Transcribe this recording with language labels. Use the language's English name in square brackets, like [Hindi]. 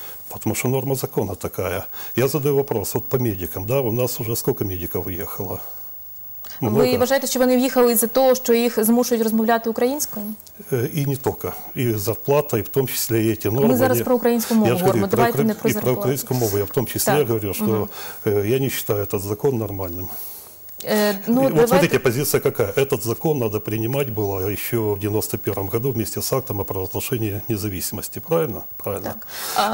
[Russian] Потому что норма закона такая. Я задаю вопрос, вот по медикам, да, у нас уже сколько медиков уехало? [Ukrainian] Ви вважаєте, що вони в'їхали із-за того, що їх змушують розмовляти українською? І не тільки. І зарплата, і в тому числі і ті норми. Ми зараз про українську мову говоримо, давайте не про зарплату. І про українську мову. Я в тому числі говорю, що я не вважаю цей закон нормальним. [Russian] Вот смотрите, позиция какая. Этот закон надо принимать было еще в 91-м году вместе с актом о провозглашении независимости. Правильно? Правильно. Так.